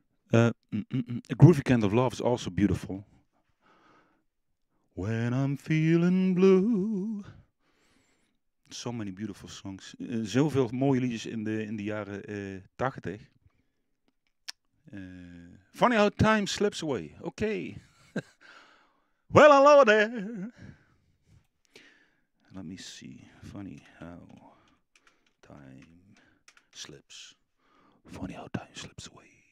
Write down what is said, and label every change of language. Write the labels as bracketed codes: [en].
[en] A Groovy Kind of Love is also beautiful. When I'm feeling blue. So many beautiful songs. [nl] Zoveel mooie liedjes in de jaren 80. [en] Funny how time slips away. Okay. Well, hello there. Let me see. Funny how time slips. Funny how time slips away.